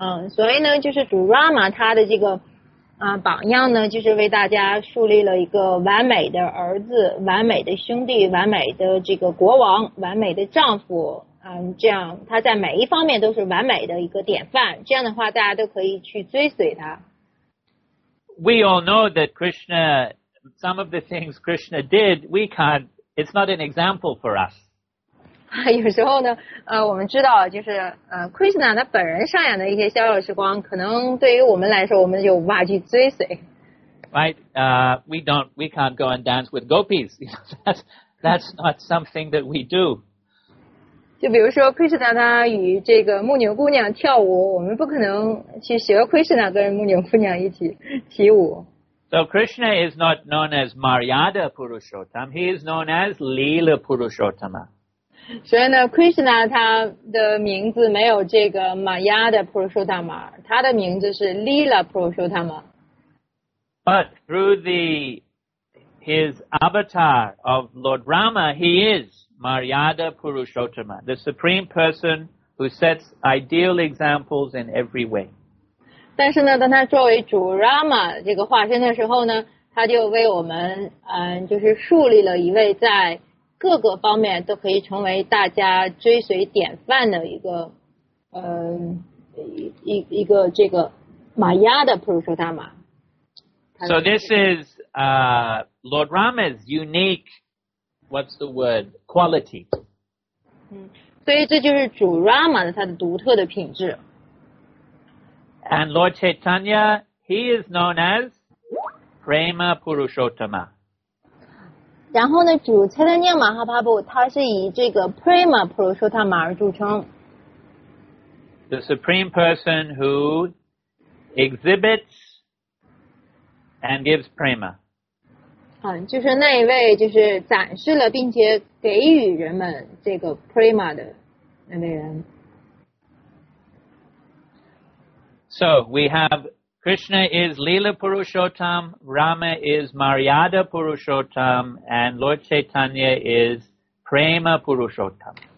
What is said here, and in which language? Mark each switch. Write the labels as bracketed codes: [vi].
[zh] 所以呢，就是主 Rama 他的这个榜样呢，就是为大家树立了一个完美的儿子、完美的兄弟、完美的这个国王、完美的丈夫。这样他在每一方面都是完美的一个典范。这样的话，大家都可以去追随他。 [en] We all know that Krishna, some of the things Krishna did, we can't. It's not an example for us. [zh] 有时候呢，我们知道，就是Krishna 他本人上演的一些逍遥时光，可能对于我们来说，我们就无法去追随。 [en] Right, we can't go and dance with gopis. That's not something that we do. [zh] 就比如说 Krishna 他与这个牧牛姑娘跳舞，我们不可能去学 Krishna 跟牧牛姑娘一起起舞。 [en] So Krishna is not known as Maryada Purushottam. He is known as Leela Purushottama. [zh] 所以呢 ，Krishna 他的名字没有这个 Maryada Purushottama， 他的名字是 Leela Purushottama。 [en] But through his avatar of Lord Rama, he is Maryada Purushottama, the supreme person who sets ideal examples in every way。 [zh] 但是呢，当他作为主 Rama 这个化身的时候呢，他就为我们就是树立了一位在。各个方面都可以成为大家追随典范的一个这个玛雅的普鲁舍塔玛。 [en] So this is Lord Rama's unique, what's the word, quality. [zh] 所以这就是主 Rama 的他的独特的品质。 [en] And Lord Chaitanya, he is known as Prema Purushottama. [zh] 然后呢，主蔡丹念马哈帕布，他是以这个 Prema Purushottama 而著称。 [en] The supreme person who exhibits and gives prema。 [zh] 就是那一位，就是展示了并且给予人们这个 prema 的那位人。 [en] So we have Krishna is Leela Purushottam, Rama is Maryada Purushottam, and Lord Chaitanya is Prema Purushottam.